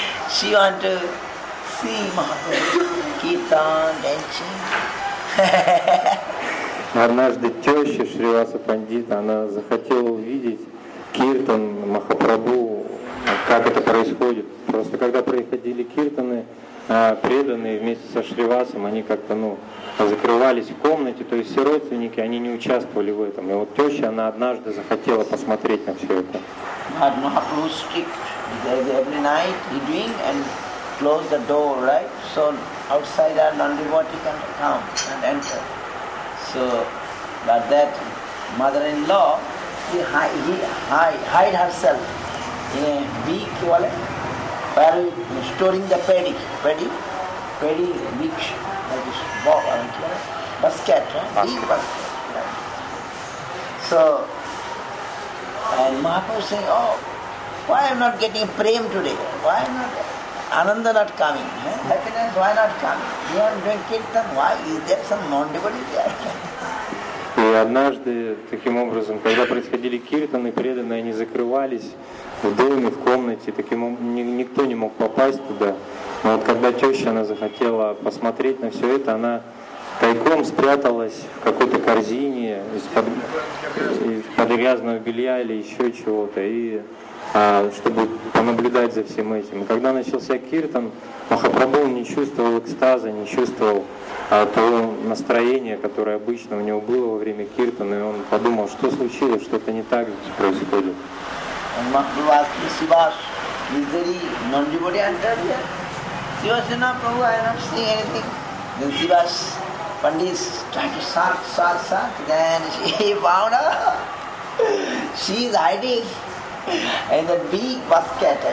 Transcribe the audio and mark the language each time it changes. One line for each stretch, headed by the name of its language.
English: She want to see Mahaprabhu, kirtan, dancing.
Russian: Однажды теща Шриваса Пандита, она захотела увидеть киртан Махапрабху, как это происходит. Просто когда приходили киртаны, преданные вместе со Шривасом, они как-то, ну, закрывались в комнате, то есть все родственники, они не участвовали в этом. И вот теща, она однажды захотела посмотреть на все это.
English: Махапрабху strict, every night he doing and close the door, right? So outside are non-devotee can come and enter. So, but that mother-in-law, she hide herself in a big wallet, while storing the paddy, big, like this ball, like basket, right? Big basket. So, and Mahaprabhu saying, oh, why I'm not getting prem today? Why I'm not, ananda not coming? Eh? Happiness, why not coming? You are doing kirtan, why? Is there some non-devotee there?
Russian: И однажды, таким образом, когда происходили киртаны, преданные, они закрывались в доме, в комнате, таким никто не мог попасть туда. Но вот когда теща, она захотела посмотреть на все это, она тайком спряталась в какой-то корзине из-под грязного белья или еще чего-то, чтобы понаблюдать за всем этим. И когда начался киртан, Махапрабху не чувствовал экстаза, не чувствовал то настроение, которое обычно у него было во время киртана, и он подумал, что случилось, что-то не так здесь происходит.
English: And Mahaprabhu asked Sivas, is there any non-devotee enter here? Sivas said, no, Prabhu, I am not seeing anything. Then Sivas, Pandit, trying to search, then she found her. She is hiding in that big basket.